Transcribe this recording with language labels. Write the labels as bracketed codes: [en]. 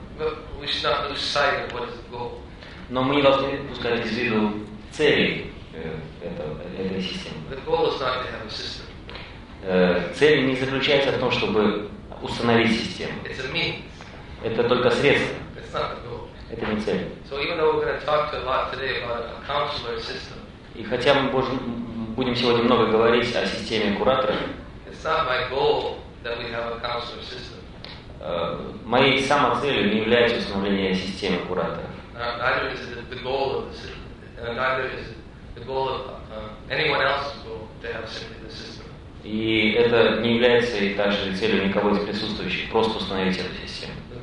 [en] But we should not lose sight of what is the goal. [ru] Но мы не должны пускать из виду цели этой системы. [en] The goal is not to have a system. [ru] Цель не заключается в том, чтобы установить систему. [en] It's a means. [ru] Это только средство. [en] It's not the goal. [ru] Это не цель. [en] So even though we're going to talk to a lot today about a counselor system. [ru] И хотя мы будем сегодня много говорить о системе куратора. [en] It's not my goal that we have a counselor system. [ru] Моей самоцелью не является установление системы куратора. [en] Neither is it the goal of the system. Neither is it the goal of anyone else's goal to have simply the system. [ru] И это не является и также целью никого из присутствующих просто установить эту систему.